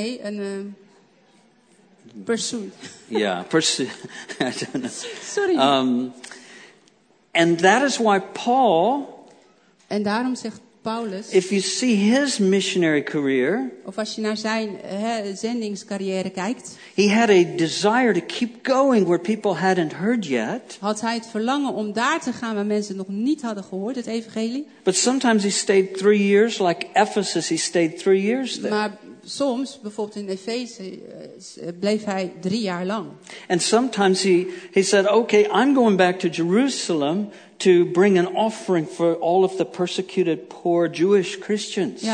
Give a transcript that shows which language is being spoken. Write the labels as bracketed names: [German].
[Dutch] Nee, een pursuit. [English] Yeah, pursuit. I don't know. Sorry. And that is why Paul. [Dutch] En daarom zegt Paulus. [English] If you see his missionary career. [Dutch] Of als je naar zijn zendingscarrière kijkt. [English] He had a desire to keep going where people hadn't heard yet. [Dutch] Had hij het verlangen om daar te gaan waar mensen nog niet hadden gehoord, het evangelie. [English] But sometimes he stayed 3 years, like Ephesus, he stayed 3 years there. [Dutch] Maar soms, bijvoorbeeld in Efeze, bleef hij 3 jaar lang. [English] And sometimes he said, okay, I'm going back to Jerusalem to bring an offering for all of the persecuted poor Jewish Christians.